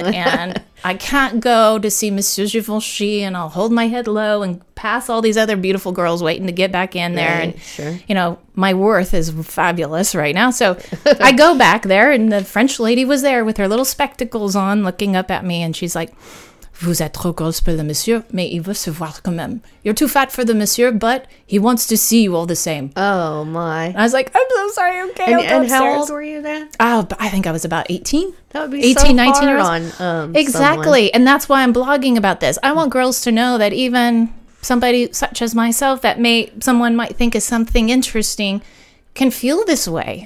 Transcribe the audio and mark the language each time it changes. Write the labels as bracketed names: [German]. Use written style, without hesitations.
[English] And I can't go to see Monsieur Givenchy. And I'll hold my head low and pass all these other beautiful girls waiting to get back in there. Right, and, sure. you know, my worth is fabulous right now. So I go back there. And the French lady was there with her little spectacles on looking up at me. And she's like, [French] vous êtes trop grosse pour le monsieur, mais il veut se voir quand même. [English] You're too fat for the monsieur, but he wants to see you all the same. Oh, my. I was like, I'm so sorry, okay, and, I'll go upstairs. And how old were you then? Oh, I think I was about 18. That would be 18, so 19 hard years. On exactly, someone. And that's why I'm blogging about this. I want girls to know that even somebody such as myself that someone might think is something interesting can feel this way.